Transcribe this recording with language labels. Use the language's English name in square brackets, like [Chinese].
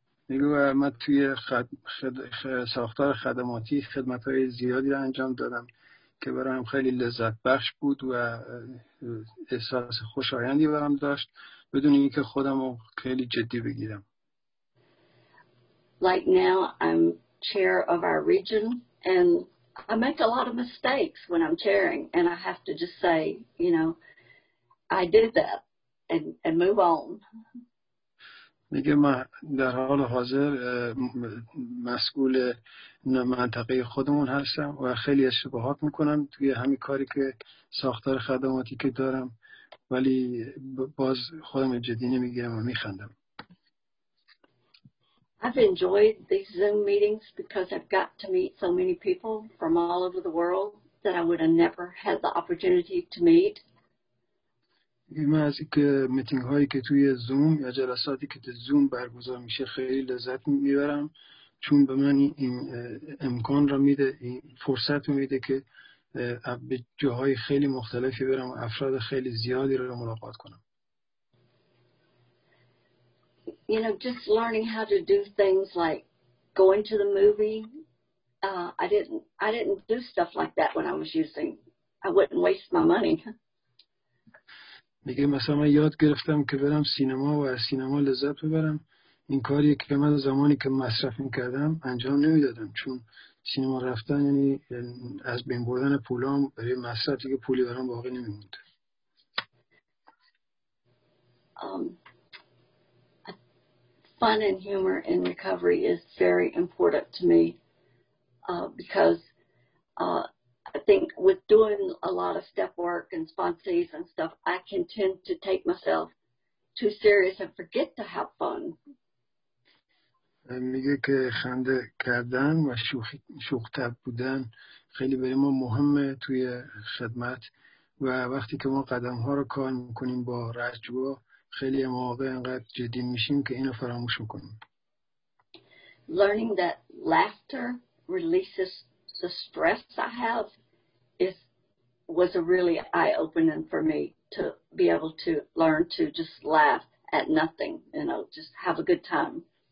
[Persian] میگه و من توی ساختار خدماتی خدمت های زیادی رو انجام دادم که برایم خیلی لذت بخش بود و احساس خوشایندی برام داشت بدون اینکه خودم رو خیلی جدی بگیرم. [English] Like now I'm chair of our region and I make a lot of mistakes when I'm chairing and I have to just say, you know, I did that and move on. [Persian] میگه ما در حال حاضر مسئول منطقه خودمون هستم و خیلی اشتباهات میکنم توی همین کاری که ساختار خدماتی که دارم ولی باز خودم جدی نمیگیرم و میخندم. [English] I've enjoyed these Zoom meetings because I've got to meet so many people from all over the world that I would have never had the opportunity to meet. [Persian] من از این که میتینگ هایی که توی زوم یا جلساتی که توی زوم برگزار میشه خیلی لذت میبرم چون به من این امکان را میده، این فرصت میده که به جاهای خیلی مختلفی برم و افراد خیلی زیادی را ملاقات کنم. [English] You know, just learning how to do things like going to the movie. I didn't do stuff like that when I was using. I wouldn't waste my money. [Persian] میگه مثلا من یاد گرفتم که برم سینما و از سینما لذت ببرم. این کاری که من زمانی که مصرف میکردم انجام نمیدادم، چون سینما رفتن یعنی از بین بردن پولام برای مصرف، دیگه پولی برام باقی نمیموند. [English] Fun and humor in recovery is very important to me because I think with doing a lot of step work and sponsees and stuff, I can tend to take myself too serious and forget to have fun. [Persian] میگه که خنده کردن و شوخ‌طبع بودن خیلی برای ما مهمه توی خدمت، و وقتی که ما قدم‌ها رو کار می‌کنیم با رجوع خیلی مواقع انقدر جدی میشیم که اینو فراموش میکنیم. [English] Learning that laughter releases the stress I have was a really eye-opening for me to be able to learn to just laugh at nothing, you know, just have a good time.